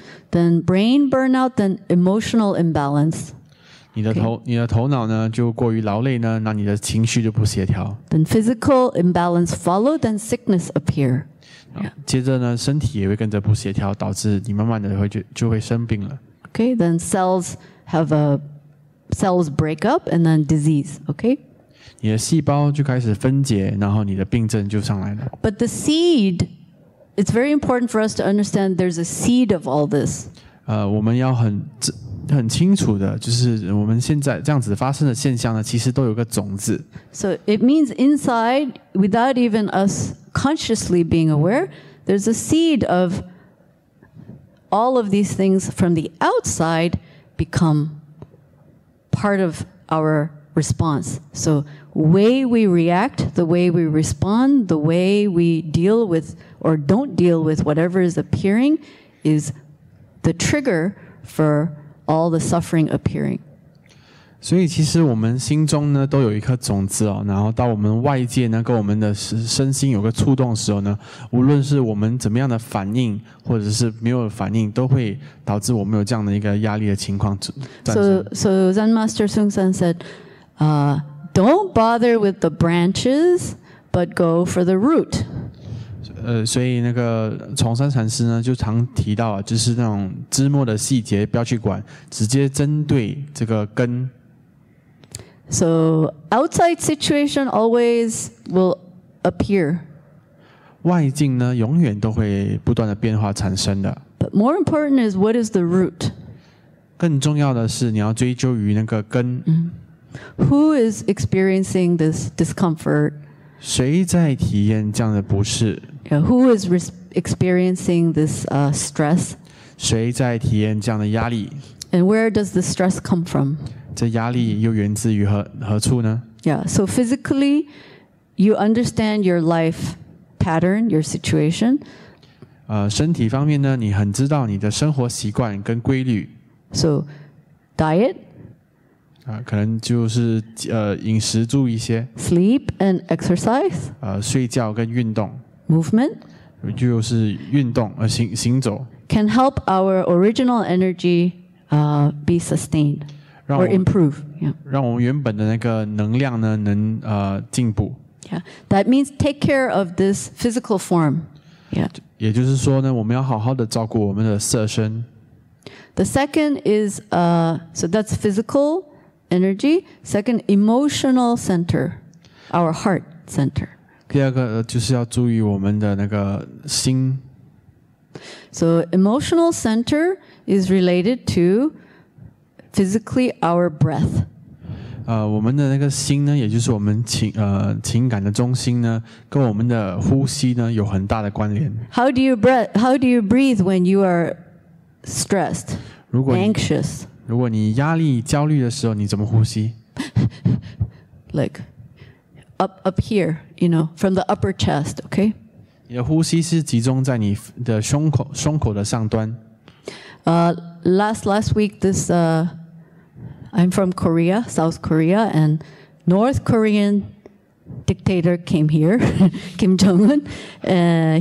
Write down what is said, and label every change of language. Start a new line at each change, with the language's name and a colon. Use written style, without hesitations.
English: Then brain burnout, then emotional imbalance.
Chinese: 你的头脑呢就过于劳累呢，那你的情绪就不协调。
English: Then physical imbalance follow, then sickness appear.
Chinese: 接着呢，身体也会跟着不协调，导致你慢慢的就会生病了。
English: Okay, then cells break up and then disease. Okay.
Chinese: 你的细胞就开始分解，然后你的病症就上来了。
English: But the seed, it's very important for us to understand there's a seed of all this.
Chinese: 我们要很清楚的，就是我们现在这样子发生的现象呢，其实都有个种子。
English: So it means inside, without even us consciously being aware, there's a seed of all of these things from the outside become part of our response. So. Way we react, the way we respond, the way we deal with or don't deal with whatever is appearing is the trigger for all the suffering appearing.
Chinese: 所以其实我们心中呢都有一颗种子哦，然后到我们外界呢跟我们的身心有个触动的时候呢，无论是我们怎么样的反应或者是没有反应，都会导致我们有这样的一个压力的情况。
English: So Zen Master Sung San said, Don't bother with the branches, but go for the root.
Chinese: 所以那个崇山禅师呢，就常提到啊，就是那种枝末的细节不要去管，直接针对这个根。
English: So outside situation always will appear.
Chinese: 外境呢，永远都会不断的变化产生的。
English: But more important is what is the root.
Chinese: 更重要的是，你要追究于那个根。
English: Who is experiencing this discomfort?
Chinese: 谁在体验这样的不适？
English: Yeah, who is experiencing this stress?
Chinese: 谁在体验这样的压力？
English: And where does the stress come from?
Chinese: 这压力又源自于何处呢？
English: Yeah, so physically, you understand your life pattern, your situation.
Chinese: 身体方面呢，你很知道你的生活习惯跟规律。
English: So, diet.
Chinese: 可能就是饮食注意一些
English: ，sleep and exercise，
Chinese: 睡觉跟运动
English: ，movement，
Chinese: 就是运动行走
English: ，can help our original energy be sustained or improve，
Chinese: 让我们原本的那个能量呢能进步。
English: Yeah， that means take care of this physical form。 Yeah，
Chinese: 也就是说呢，我们要好好的照顾我们的色身。
English: The second is so that's physical. Energy. Second, emotional center, our heart center.
Chinese: 第二个就是要注意我们的那个心。
English: So emotional center is related to physically our breath.
Chinese: 我们的那个心呢，也就是我们情感的中心呢，跟我们的呼吸呢有很大的关联。
English: How do you breathe when you are stressed, anxious?
Chinese: 如果你压力焦虑的时候，你怎么呼吸？
English: Like up here, you know, from the upper chest, okay?
Chinese: 你的呼吸是集中在你的胸口的上端。
English: Last week, this I'm from Korea, South Korea, and North Korean dictator came here, Kim Jong-un.